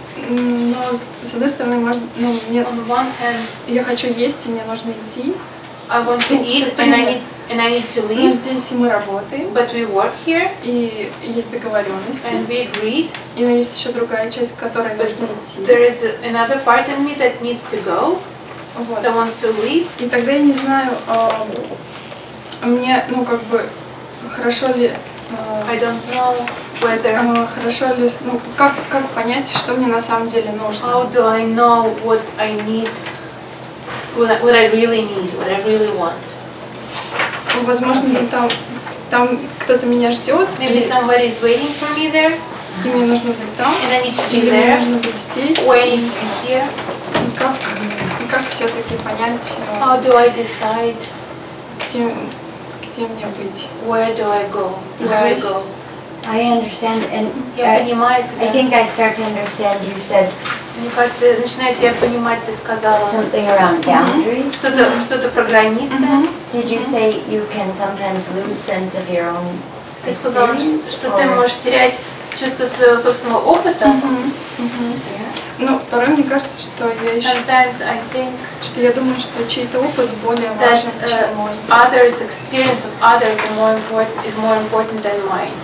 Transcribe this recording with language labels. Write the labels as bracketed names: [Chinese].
[Russian] Но с одной стороны, можно, ну, нет. [English] On one hand, [Russian] я хочу есть, и мне нужно идти. [English] I want to eat and I need to leave. [Russian] Но здесь мы работаем. [English] But we work here. [Russian] И есть договоренности. [English] And we agreed. [Russian] И но есть еще другая часть, к которой нужно идти. [English] There is another part in me that needs to go. [Russian] Вот. [English] That wants to leave. [Russian] И тогда я не знаю, мне, ну, как бы, хорошо ли... [English] I don't know whether... [Russian] Хорошо ли... Ну, как понять, что мне на самом деле нужно? [English] How do I know what I need? What I really need, what I really want. [Russian] Возможно, okay. там кто-то меня ждет. [English] Maybe somebody is waiting for me there. [Russian] И мне нужно быть там. [English] And I need to be [Russian] или [English] there. [Russian] Или мне нужно быть здесь. [English] Waiting to be here. [Russian] И как все-таки понять... [English] How do I decide? [Russian] Где мне быть? [English] Where do I go? Where do I go? I understand. And [Russian] я понимаю тебя. [English] I think I start to understand, you said... [Russian] Мне кажется, начинает, я понимаю, ты сказала [English] something around boundaries. [Russian] Что-то про границы. Mm-hmm. [English] Did you say you can sometimes lose sense of your own experience? [Russian] Ты сказала, что ты можешь терять чувство своего собственного опыта. [English] Mm-hmm. Yeah. [Russian] Ну, порой мне кажется, что я еще... [English] Sometimes I think... [Russian] Что я думаю, что чей-то опыт более важен, чем мой. [English] Others' experience of others is more important than mine.